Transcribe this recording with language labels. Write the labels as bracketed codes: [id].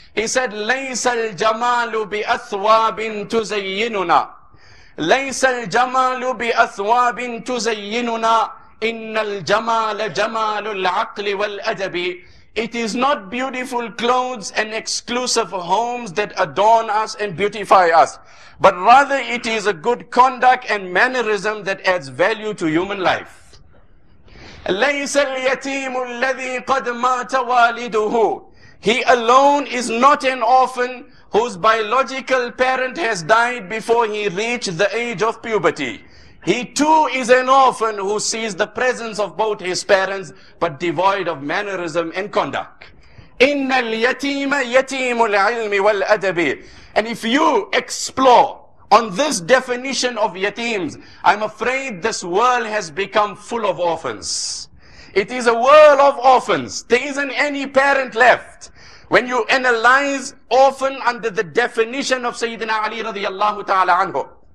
[en] He said, [ar] لَيْسَ الْجَمَالُ بِأَثْوَابٍ تُزَيِّنُنَا لَيْسَ الْجَمَالُ بِأَثْوَابٍ تُزَيِّنُنَا إِنَّ الْجَمَالَ جَمَالُ الْعَقْلِ وَالْأَدَبِ. [en] It is not beautiful clothes and exclusive homes that adorn us and beautify us, but rather it is a good conduct and mannerism that adds value to human life. [ar] ليس اليتيم الذي قد مات والده. [en] He alone is not an orphan whose biological parent has died before he reached the age of puberty. He too is an orphan who sees the presence of both his parents, but devoid of mannerism and conduct. [ar] إن اليتيم يتيم العلم والأدب. [en] And if you explore on this definition of yatims, I'm afraid this world has become full of orphans. It is a world of orphans. There isn't any parent left. When you analyze orphan under the definition of Sayyidina Ali radiallahu ta'ala anhu.